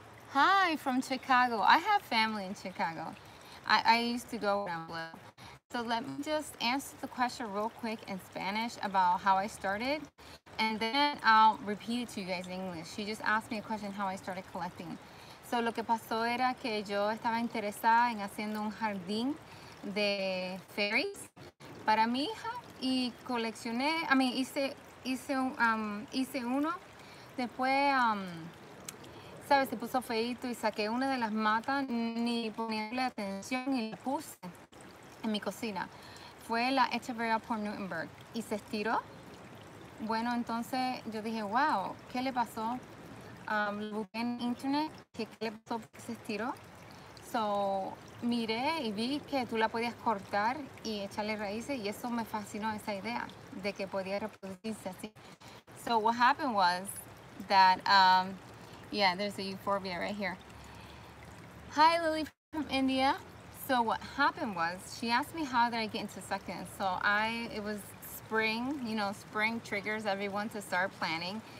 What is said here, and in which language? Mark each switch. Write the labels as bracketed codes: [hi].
[en] Hi from Chicago. I have family in Chicago. I used to go around with. So let me just answer the question real quick in Spanish about how I started, and then I'll repeat it to you guys in English. She just asked me a question how I started collecting. [es] So lo que pasó era que yo estaba interesada en haciendo un jardín de fairies para mi hija y coleccioné, hice uno. Después, sabes, se puso feito y saqué una de las matas, ni poniéndole atención y la puse en mi cocina. Fue la Echeverría por Newtonburg y se estiró. Bueno, entonces yo dije, wow, ¿qué le pasó? Busqué en internet qué le pasó porque se estiró. So, miré y vi que tú la podías cortar y echarle raíces y eso me fascinó, esa idea de que podía reproducirse así. [en] So, what happened was that, there's a euphorbia right here. Hi, Lily from India. So what happened was, she asked me how did I get into succulents. So it was spring, you know, spring triggers everyone to start planning.